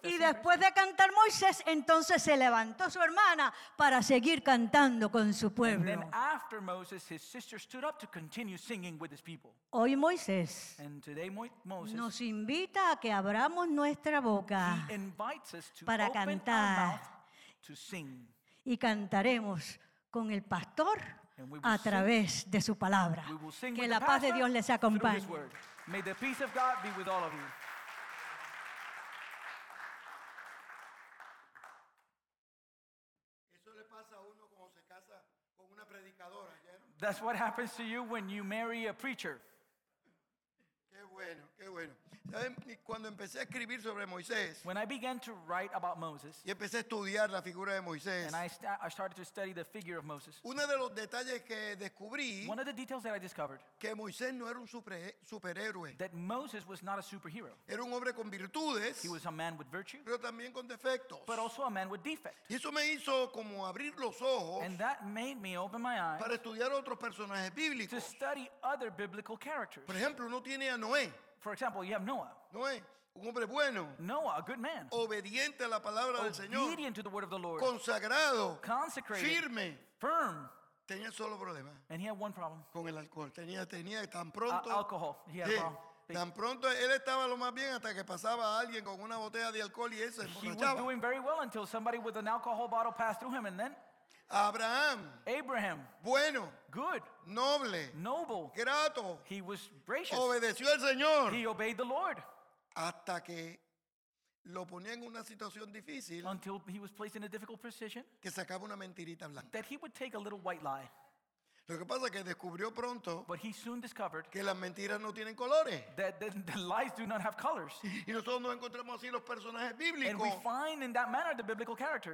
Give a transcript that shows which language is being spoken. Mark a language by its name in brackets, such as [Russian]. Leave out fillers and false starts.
[Spanish] Y después de cantar Moisés, entonces se levantó su hermana para seguir cantando con su pueblo. [English] And then after Moses, his sister stood up to continue singing with his people. [Spanish] Hoy Moisés. [English] And today Moses. [Spanish] Nos invita a que abramos nuestra boca. [English] He invites us to [Spanish] para [English] open [Spanish] cantar. [English] Our mouth to sing. [Spanish] Y cantaremos con el pastor. [English] And we will [Spanish] a través [English] sing. [Spanish] De su palabra que la paz de Dios les acompañe. [English] May the peace of God be with all of you. [Spanish] Eso le pasa a uno cuando se casa con una predicadora, ¿ya? [English] That's what happens to you when you marry a preacher. [Spanish] Qué bueno, qué bueno. ¿Saben? Cuando empecé a escribir sobre Moisés, [English] when I began to write about Moses, [Spanish] y empecé a estudiar la figura de Moisés, [English] and I started to study the figure of Moses, [Spanish] uno de los detalles que descubrí, [English] one of the details that I discovered, [Spanish] que Moisés no era un superhéroe, [English] that Moses was not a superhero. [Spanish] Era un hombre con virtudes, [English] he was a man with virtue, [Spanish] pero también con defectos, [English] but also a man with defect. [Spanish] Y eso me hizo como abrir los ojos, [English] and that made me open my eyes, [Spanish] para estudiar otros personajes bíblicos, [English] to study other biblical characters. [Spanish] Por ejemplo, uno tiene a Noé. [English] For example, you have Noah. [Spanish] Noé, un hombre bueno. [English] Noah, a good man. [Spanish] Obediente a la palabra del Señor. [English] Obedient to the word of the Lord. [Spanish] Consagrado. [English] Consecrated. [Spanish] Firme. [English] Firm. [Spanish] Tenía solo problema. [English] And he had one problem. [Spanish] Con el alcohol. Tenía tan pronto. [English] Alcohol. He had a problem. [Spanish] Tan pronto él estaba lo más bien hasta que pasaba alguien con una botella de alcohol y ese. [English] He was doing very well until somebody with an alcohol bottle passed through him, and then. [Spanish] Abraham. [English] Abraham. [Spanish] Bueno. [English] Good. [Spanish] Noble. [English] Noble. [Spanish] Grato. [English] He was gracious. [Spanish] Obedeció al Señor. [English] He obeyed the Lord. [Spanish] Hasta que lo ponía en una situación difícil. [English] Until he was placed in a difficult position. [Spanish] Que sacaba una mentirita blanca. [English] That he would take a little white lie. [Spanish] Lo que pasa es que descubrió pronto. [English] But he soon discovered. [Spanish] Que las mentiras no tienen colores. [English] That the lies do not have colors. [Spanish] Y nosotros nos encontramos así los personajes bíblicos. [English] And we find in that manner the biblical characters.